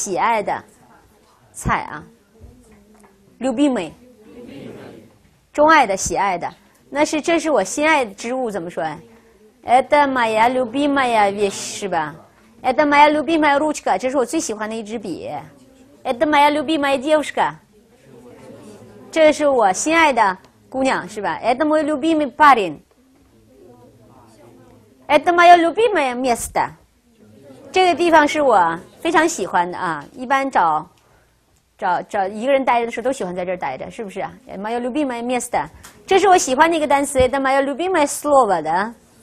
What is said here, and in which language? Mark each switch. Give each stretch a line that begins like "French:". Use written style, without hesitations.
Chinese: 这是我钟爱的,喜爱的菜啊. Любимый. 钟爱的,喜爱的. 那是,这是我心爱的植物,怎么说?
Russian: Это моя любимая вещь,
Chinese: 是吧?
Russian: Это моя любимая ручка,
Chinese: 这是我最喜欢的一支笔.
Russian: Это моя любимая девушка,
Chinese: 这是我心爱的姑娘, 是吧?
Russian: Это мой любимый парень. Это моя любимая место,
Chinese: 这个地方是我非常喜欢的啊, 一般找一个人待着的时候都喜欢在这儿待着, 是不是?
Russian: Это моя любимая место,
Chinese: 这是我喜欢的一个单词,
Russian: Это моя любимая слово, 的。